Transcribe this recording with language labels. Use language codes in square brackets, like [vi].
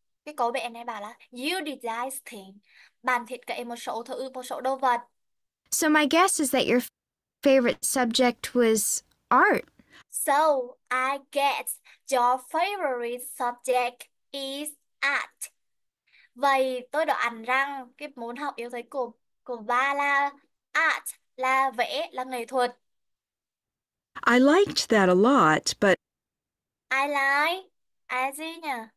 [vi] Cái câu bạn này bảo là [en] you design things. [vi] Bạn thiết kế một số thứ, một số đồ vật. [en] So my guess is that your favorite subject was art. So I guess your favorite subject is art. [vi] Vậy tôi đoán rằng cái môn học yêu thích của ba là art, là vẽ, là nghệ thuật. [en] I liked that a lot, but I like, [vi] ai gì nhỉ?